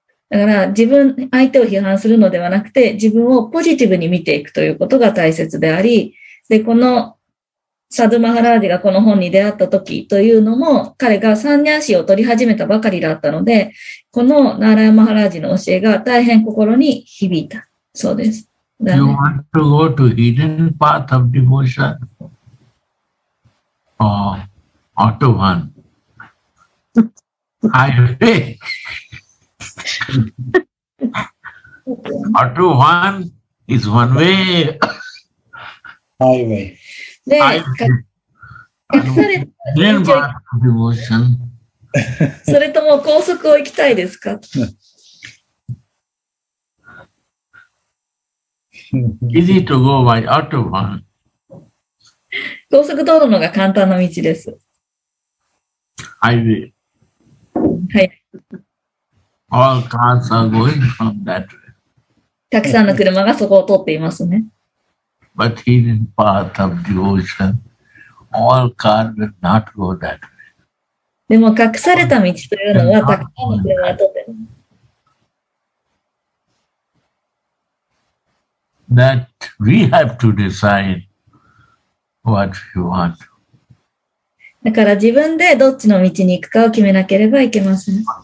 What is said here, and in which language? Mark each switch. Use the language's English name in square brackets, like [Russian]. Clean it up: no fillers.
[Japanese] だから自分、相手を批判するのではなくて、自分をポジティブに見ていくということが大切であり、で、このサドゥ・マハラージがこの本に出会った時というのも、彼がサンニャーシーを取り始めたばかりだったので、このナーラヤ・マハラージの教えが大変心に響いた。そうです。 [English] ね、you want to go to hidden path of devotion? Or auto one? I think. Auto one is one way. Highway. Then path of devotion. [Japanese] それとも高速を行きたいですか? [English] Easy to go by auto one. [Japanese] 高速道路のが簡単な道です。 [English] Highway. [Japanese] はい。 [English] All cars are going from that way. [Japanese] たくさんの車がそこを通っていますね。 [English] But hidden path of devotion, all cars will not go that way. [Japanese] でも隠された道というのはたくさんの車が通ってる。 [English] That we have to decide what we want. [Japanese] だから自分でどっちの道に行くかを決めなければいけません。